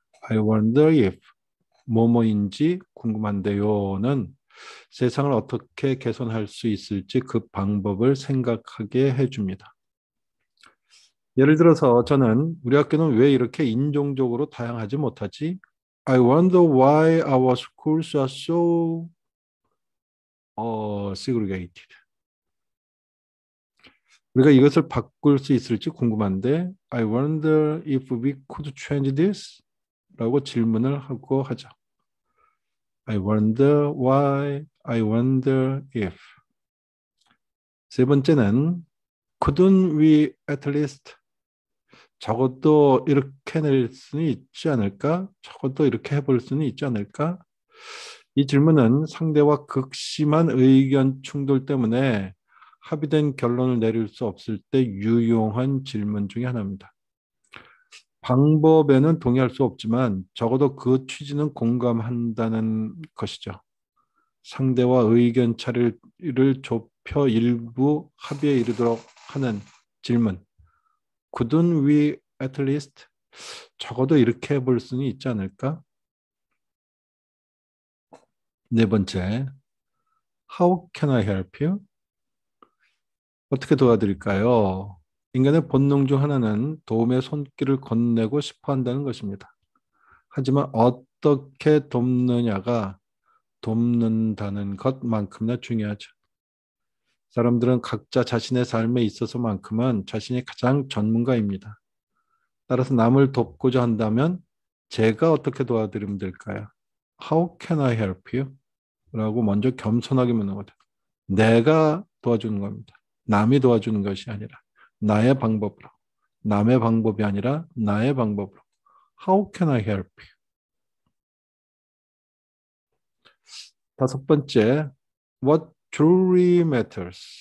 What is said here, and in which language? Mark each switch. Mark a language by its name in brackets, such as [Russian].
[English] I wonder if [Korean] 뭐뭐인지 궁금한데요는 세상을 어떻게 개선할 수 있을지 그 방법을 생각하게 해줍니다. 예를 들어서 저는 우리 학교는 왜 이렇게 인종적으로 다양하지 못하지? [English] I wonder why our schools are so segregated. [Korean] 우리가 이것을 바꿀 수 있을지 궁금한데, [English] I wonder if we could change this? [Korean] 라고 질문을 하고 하죠. [English] I wonder why, I wonder if. [Korean] 세 번째는, [English] couldn't we at least? [Korean] 적어도 이렇게 낼 수는 있지 않을까? 적어도 이렇게 해볼 수는 있지 않을까? 이 질문은 상대와 극심한 의견 충돌 때문에 합의된 결론을 내릴 수 없을 때 유용한 질문 중에 하나입니다. 방법에는 동의할 수 없지만 적어도 그 취지는 공감한다는 것이죠. 상대와 의견 차이를 좁혀 일부 합의에 이르도록 하는 질문. [English] Couldn't we at least [Korean] 적어도 이렇게 해볼 수는 있지 않을까? 네 번째, [English] How can I help you? [Korean] 어떻게 도와드릴까요? 인간의 본능 중 하나는 도움의 손길을 건네고 싶어 한다는 것입니다. 하지만 어떻게 돕느냐가 돕는다는 것만큼이나 중요하죠. 사람들은 각자 자신의 삶에 있어서만큼은 자신이 가장 전문가입니다. 따라서 남을 돕고자 한다면 제가 어떻게 도와드리면 될까요? [English] How can I help you? [Korean] 라고 먼저 겸손하게 묻는 거죠. 내가 도와주는 겁니다. 남이 도와주는 것이 아니라 나의 방법으로, 남의 방법이 아니라 나의 방법으로. [English] How can I help you? [Korean] 다섯 번째, [English] What truly matters?